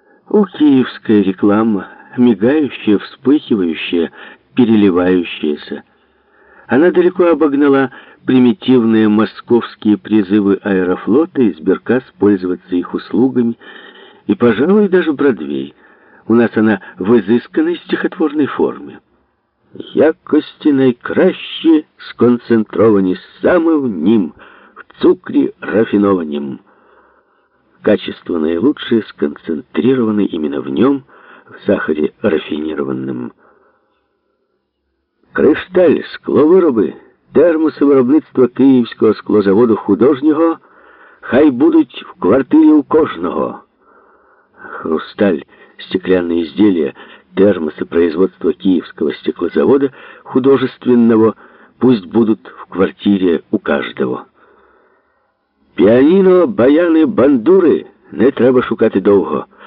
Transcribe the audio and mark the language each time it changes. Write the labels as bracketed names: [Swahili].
[Russian] У киевская реклама, мигающая, вспыхивающая, переливающаяся. Она далеко обогнала примитивные московские призывы Аэрофлота и Сберкас пользоваться их услугами, и, пожалуй, даже Бродвей. У нас она в изысканной стихотворной форме: [Ukrainian] «Якості найкращі сконцентровані саме в нім, в цукрі рафінованім». [Russian] Качество наилучшее сконцентрировано именно в нем, в сахаре рафинированном. [Ukrainian] «Кришталь скловироби, термоси виробництва Київського склозаводу художнього, хай будуть в квартирі у кожного». [Russian] «Хрусталь, стеклянные изделия, термосы производства Киевского стеклозавода художественного, пусть будут в квартире у каждого». [Ukrainian] «Піаніно, баяни, бандури, не треба шукати довго.